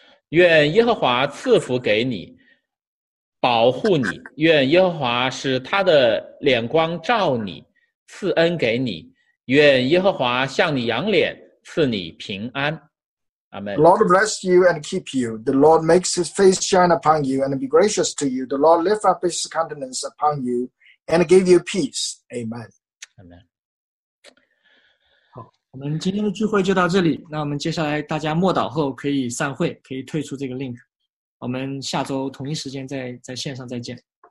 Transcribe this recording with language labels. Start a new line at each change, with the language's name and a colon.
Chinese: 愿耶和华赐福给你，保护你，愿耶和华使他的脸光照你，赐恩给你，愿耶和华向你扬脸，赐你平安。
English: Amen. The Lord bless you and keep you. The Lord makes his face shine upon you and be gracious to you. The Lord lift up his countenance upon you and give you peace. Amen. Amen.
Chinese: 我们今天的聚会就到这里，那我们接下来大家默祷后可以散会，可以退出这个 link。 我们下周同一时间在线上再见。